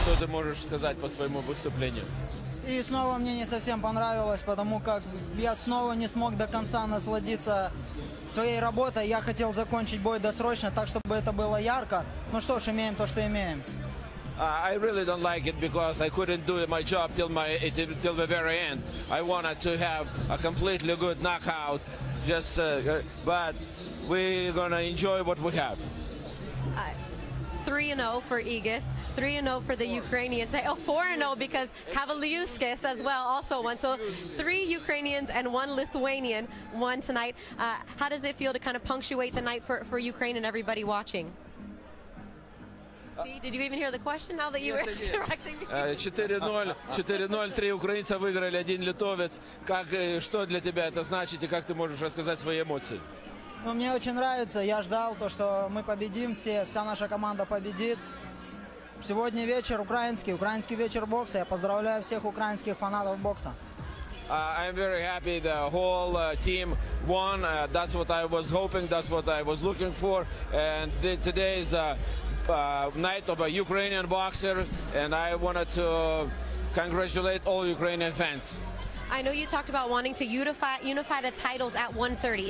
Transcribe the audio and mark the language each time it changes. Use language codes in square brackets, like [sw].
[ru] Что ты можешь сказать по своему выступлению? И снова мне не совсем понравилось, потому как я снова не смог до конца насладиться своей работой. Я хотел закончить бой досрочно, так чтобы это было ярко. Ну что ж, имеем то, что имеем. [en] I really don't like it because I couldn't do my job till the very end. I wanted to have a completely good knockout, but we're gonna enjoy what we have. 3-0 for Igis. 3-0 for the Ukrainians. Oh, 4-0 because Kavaliuskis as well also won. So three Ukrainians and one Lithuanian won tonight. How does it feel to kind of punctuate the night for Ukraine and everybody watching? Did you even hear the question now that you were correcting me? [ru] 4-0, 3 украинца выиграли, 1 литовец. Как, что для тебя это значит и как ты можешь рассказать свои эмоции? Ну, мне очень нравится. Я ждал то, что мы победим все, вся наша команда победит. Сегодня вечер украинский вечер бокса. Я поздравляю всех украинских фанатов бокса. [en] I'm very happy the whole team won. That's what I was hoping, that's what I was looking for. And today is night of a Ukrainian boxer, and I wanted to congratulate all Ukrainian fans. I know you talked about wanting to unify the titles at 130.